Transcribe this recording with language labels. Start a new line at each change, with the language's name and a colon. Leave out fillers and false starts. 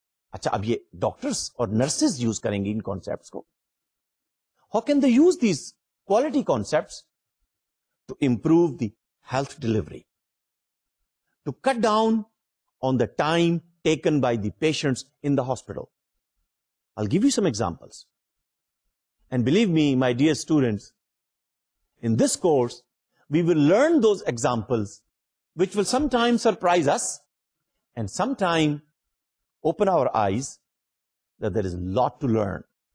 Urdu: اچھا اب یہ ڈاکٹرس اور نرسز یوز کریں گے ان کانسیپٹس کو.
English: How can they use these quality concepts to improve the health delivery to cut down on the time taken by the patients in the hospital. I'll give you some examples. And believe me, my dear students, in this course, we will learn those examples which will sometimes surprise us and sometime open our eyes that there is a lot to learn.